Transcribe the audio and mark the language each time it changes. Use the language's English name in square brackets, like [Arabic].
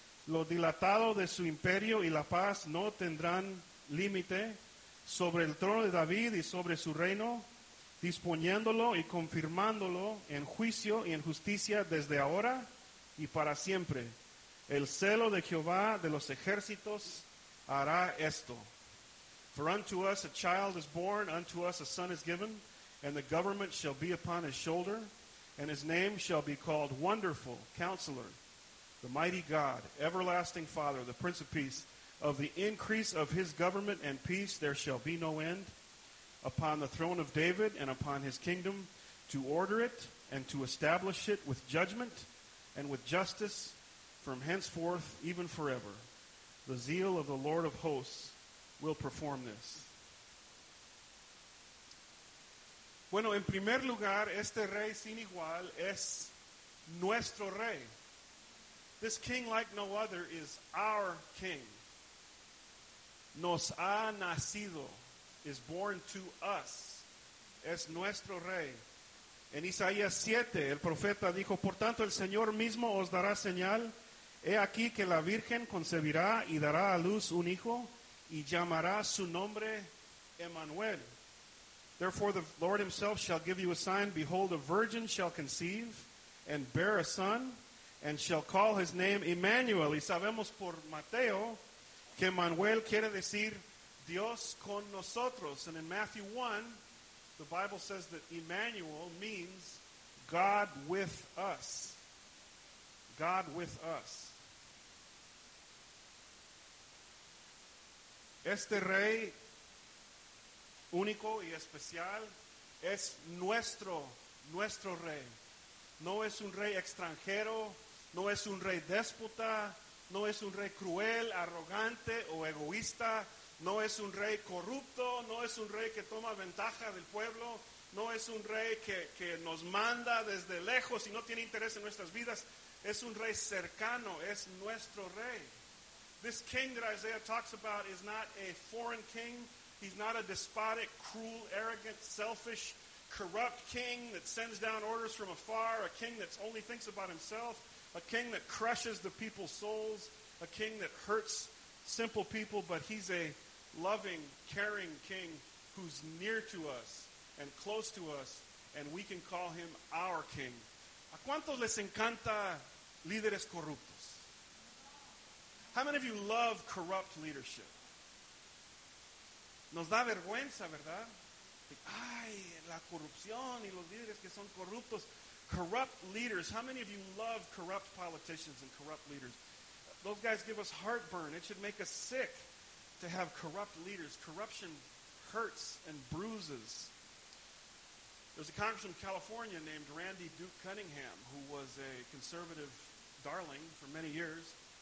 [Spanish] Lo dilatado de su imperio y la paz no tendrán límite sobre el trono de David y sobre su reino, disponiéndolo y confirmándolo en juicio y en justicia desde ahora y para siempre. El celo de Jehová de los ejércitos hará esto. [English] For unto us a child is born, unto us a son is given, and the government shall be upon his shoulder, and his name shall be called Wonderful Counselor, the Mighty God, Everlasting Father, the Prince of Peace. Of the increase of his government and peace there shall be no end, upon the throne of David and upon his kingdom, to order it and to establish it with judgment and with justice from henceforth even forever. The zeal of the Lord of hosts will perform this. [Spanish] Bueno, en primer lugar, este rey sin igual es nuestro rey. [English] This king like no other is our king. [Spanish] Nos ha nacido, [English] is born to us, [Spanish] es nuestro rey. En Isaías 7, el profeta dijo, por tanto el Señor mismo os dará señal, he aquí que la Virgen concebirá y dará a luz un hijo, y llamará su nombre Emmanuel. [English] Therefore the Lord himself shall give you a sign, behold a virgin shall conceive and bear a son, and shall call his name Emmanuel. [Spanish] Y sabemos por Mateo que Manuel quiere decir Dios con nosotros. [English] And in Matthew 1, the Bible says that Emmanuel means God with us. God with us. [Spanish] Este rey único y especial es nuestro rey. No es un rey extranjero. No es un rey déspota, no es un rey cruel, arrogante o egoísta, no es un rey corrupto, no es un rey que toma ventaja del pueblo, no es un rey que nos manda desde lejos y no tiene interés en nuestras vidas, es un rey cercano, es nuestro rey. [English] This king that Isaiah talks about is not a foreign king, he's not a despotic, cruel, arrogant, selfish, corrupt king that sends down orders from afar, a king that only thinks about himself. A king that crushes the people's souls, a king that hurts simple people, but he's a loving, caring king who's near to us and close to us, and we can call him our king. [Spanish] ¿A cuántos les encanta líderes corruptos? [English] How many of you love corrupt leadership? [Spanish] Nos da vergüenza, ¿verdad? Ay, la corrupción y los líderes que son corruptos. [English] Corrupt leaders. How many of you love corrupt politicians and corrupt leaders? Those guys give us heartburn. It should make us sick to have corrupt leaders. Corruption hurts and bruises. There's a congressman in California named Randy Duke Cunningham, who was a conservative darling for many years.